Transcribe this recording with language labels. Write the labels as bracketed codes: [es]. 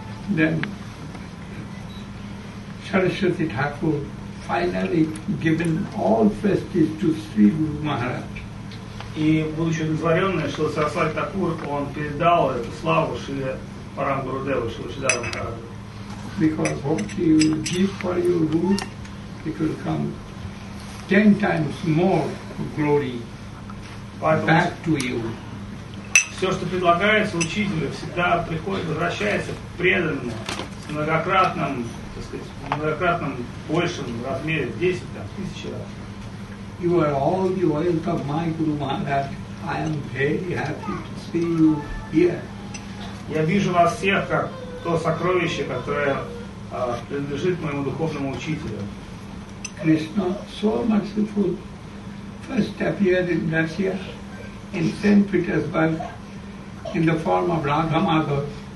[en] Then Saraswati Thakur finally given all prestige to Sri Guru Maharaj. [ru] И будучи удовлетворенным, что Сарасвати Такур, он передал эту славу Шиле Парам Гурудеву, Шиле Шридхар Махараджу. [en] Because what he will give for your guru, it will come 10 times more glory back to you. [ru] Все, что предлагается учителю, всегда приходит, возвращается в преданное, с многократным, так сказать, в многократном большем размере, 10 там, тысяч раз. [en] You are all the wealth of my Guru Maharaj. I am very happy to see you here. [ru] Я вижу вас всех как то сокровище, которое принадлежит моему духовному учителю. [en] Krishna, so merciful. First appeared in Russia, in St. Petersburg, in the form of Radha Madhava.